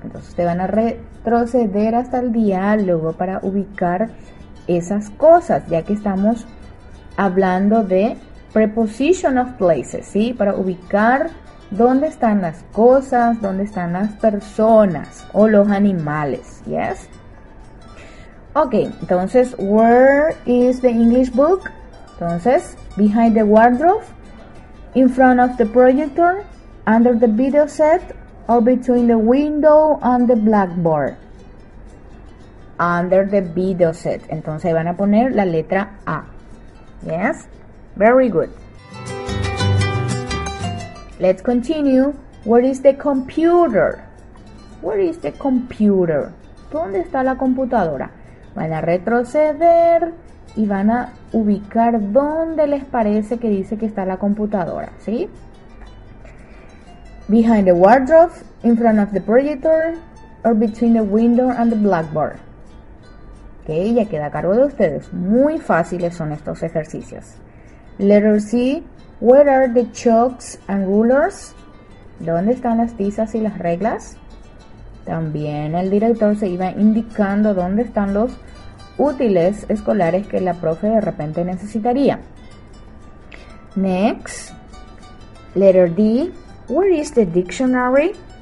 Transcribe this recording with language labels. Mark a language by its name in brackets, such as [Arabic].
[Spanish] Entonces te van a retroceder hasta el diálogo para ubicar esas cosas, ya que estamos hablando de [English] preposition of places, [Spanish] ¿sí? Para ubicar dónde están las cosas, dónde están las personas o los animales, ¿yes? Ok, entonces, [English] where is the English book? Entonces, behind the wardrobe, in front of the projector, under the video set, or between the window and the blackboard. Under the video set. [Spanish] Entonces van a poner la letra A. [English] Yes? Very good. Let's continue. Where is the computer? Where is the computer? [Spanish] ¿Dónde está la computadora? Van a retroceder y van a ubicar dónde les parece que dice que está la computadora, ¿sí? [English] Behind the wardrobe, in front of the projector, or between the window and the blackboard. [Spanish] Ok, ya queda a cargo de ustedes. Muy fáciles son estos ejercicios. [English] Letter C, where are the chalks and rulers? [Spanish] ¿Dónde están las tizas y las reglas? También el director se iba indicando dónde están los útiles escolares que la profe de repente necesitaría. [English] Next, letter D, where is the dictionary?